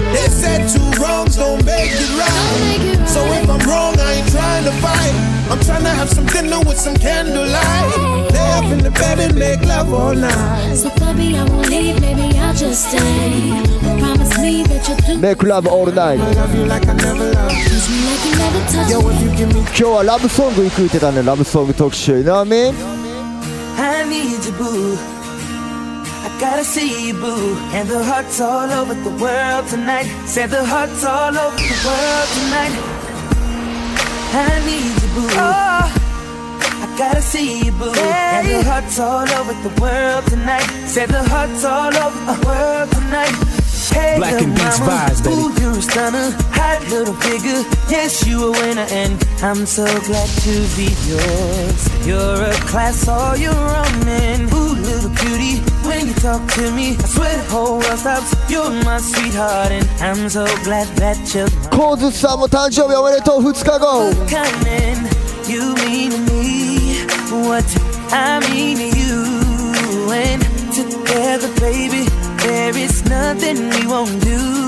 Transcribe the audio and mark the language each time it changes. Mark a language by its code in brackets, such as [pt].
[en] They said two wrongs don't make it right. So if I'm wrong, I ain't trying to fight. I'm trying to have some dinner with some candlelight. Lay up in the bed and make love all night. So baby, I won't leave, maybe I'll just stay. Make love all night. I love you like I never loved. Yo, if you give me. [ja] 今日はラブソング行くってたね、ラブソング特集。 [en] You know what I mean? I need you, boo. I gotta see you, boo. And the hearts all over the world tonight. Say the hearts all over the world tonight. I need you, boo. I gotta see you, boo. And the hearts all over the world tonight. Say the hearts all over the world tonight. Hey, Black and Beats vibes, baby. Ooh, you're a stunner, hot little figure. Yes, you a winner, and I'm so glad to be yours. You're a class all your own, and ooh, little cutie, when you talk to me, I swear the whole world stops. You're my sweetheart, and I'm so glad that you're mine. [ja] Kozu-san も誕生日おめでとう、2日後。 [en] Kanen, you mean to me what I mean to you, and together, baby. There is nothing we won't do.